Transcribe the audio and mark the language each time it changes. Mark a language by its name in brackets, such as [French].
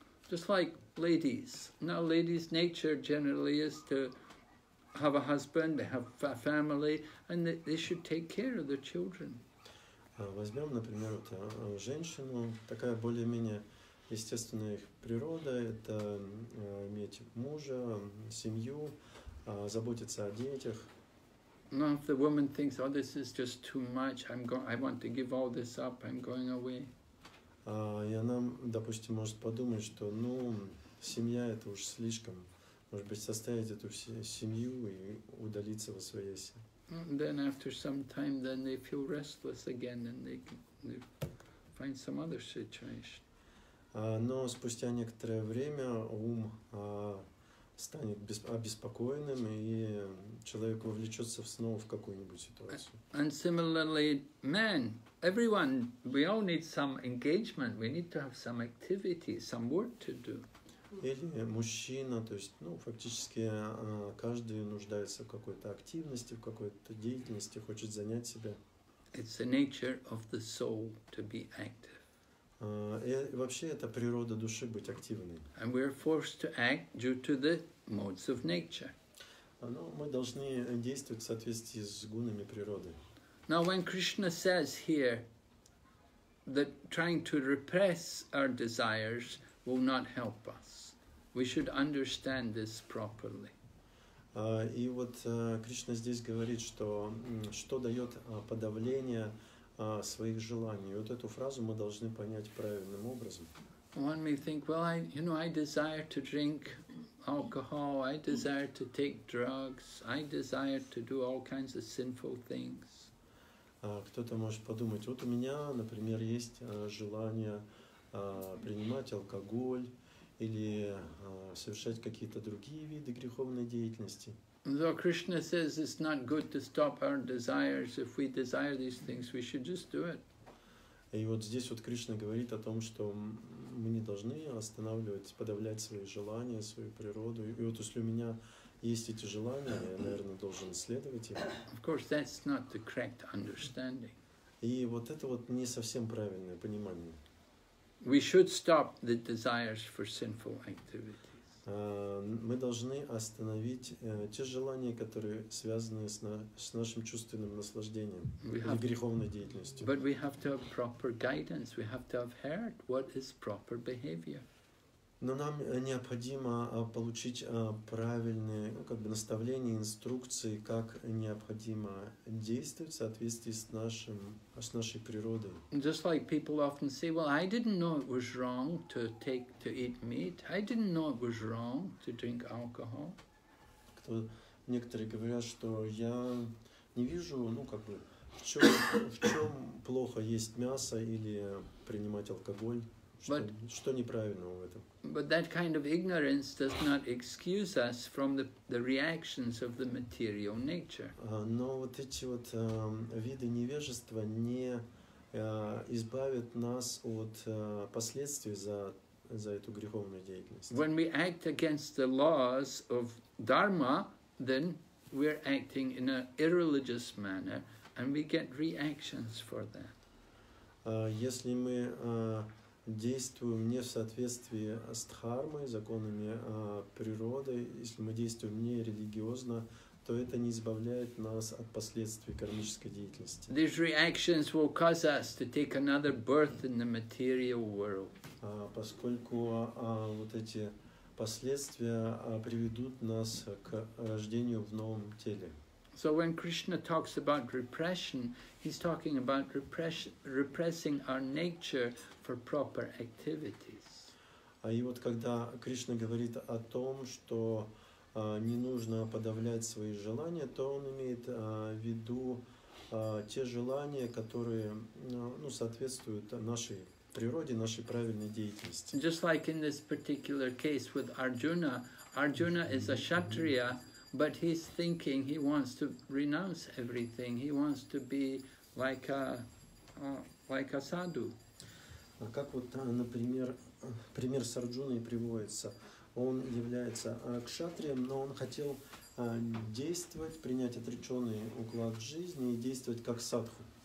[English] Just like ladies. Now ladies' nature generally is to have a husband, they have a family, and they should take care of their children. [Russian] Возьмем, например, вот женщину, такая более-менее естественная их природа, это иметь мужа, семью, заботиться о детях. [English] Now if the woman thinks, oh, this is just too much, I want to give all this up, I'm going away. [Russian] И она, допустим, может подумать, что, ну, семья – это уж слишком. Может быть, составить эту семью и удалиться во своей семье. [English] Then after some time, then they feel restless again, and they find some other situation. [Russian] Но спустя некоторое время ум станет обеспокоенным, и человек вовлечется снова в какую-нибудь ситуацию. [English] And similarly, men, everyone, we all need some engagement, we need to have some activity, some work to do. [Russian] Или мужчина, то есть, ну, фактически каждый нуждается в какой-то активности, в какой-то деятельности, хочет занять себя. [English] It's the nature of the soul to be active. [Russian] И вообще это природа души быть активной. [English] And we are forced to act due to the modes of nature. [Russian] Но мы должны действовать в соответствии с гунами природы. [English] Now when Krishna says here that trying to repress our desires will not help us, we should understand this properly. [Russian] И вот Кришна здесь говорит, что дает подавление своих желаний. И вот эту фразу мы должны понять правильным образом. [English] One may think, well, I desire to drink alcohol, I desire to take drugs, I desire to do all kinds of sinful things. [Russian] Кто-то может подумать, вот у меня, например, есть желание принимать алкоголь или совершать какие-то другие виды греховной деятельности. [English] So Krishna says it's not good to stop our desires. If we desire these things, we should just do it. [Russian] И вот здесь вот Кришна говорит о том, что мы не должны останавливать, подавлять свои желания, свою природу. И вот если у меня есть эти желания, я, наверное, должен следовать им. [English] Of course, that's not the correct understanding. [Russian] И вот это вот не совсем правильное понимание. [English] We should stop the desires for sinful activity. [Russian] Мы должны остановить те желания, которые связаны с нашим чувственным наслаждением или греховной деятельностью. [English] But we have to have proper guidance. We have to have heard what is proper behavior. [Russian] Но нам необходимо получить правильные, ну, как бы наставления, инструкции, как необходимо действовать в соответствии с нашей природой. [English] Just like people often say, well, I didn't know it was wrong to eat meat. I didn't know it was wrong to drink alcohol. [Russian] Некоторые говорят, что я не вижу, ну, как бы, в чем плохо есть мясо или принимать алкоголь. Что неправильного в этом? [English] But that kind of ignorance does not excuse us from the reactions of the material nature. [Russian] Но вот эти вот виды невежества не избавят нас от последствий за эту греховную деятельность. [English] When we act against the laws of Dharma, then we're acting in an irreligious manner, and we get reactions for that. [Russian] Если мы действуем не в соответствии с дхармой, законами природы, если мы действуем не религиозно, то это не избавляет нас от последствий кармической деятельности. [English] These reactions will cause us to take another birth in the material world. [Russian] Поскольку вот эти последствия приведут нас к рождению в новом теле. [English] So when Krishna talks about repression, he's talking about repressing our nature for proper activities. [Russian] И вот когда Кришна говорит о том, что не нужно подавлять свои желания, то он имеет в виду те желания, которые соответствуют нашей природе, нашей правильной деятельности. [English] Just like in this particular case with Arjuna, Arjuna is a kshatriya, but he's thinking he wants to renounce everything. He wants to be like a sadhu. [Russian] Как вот, например, пример с Арджуной приводится. Он является кшатрием, но он хотел действовать, принять отреченный уклад жизни и действовать как садху.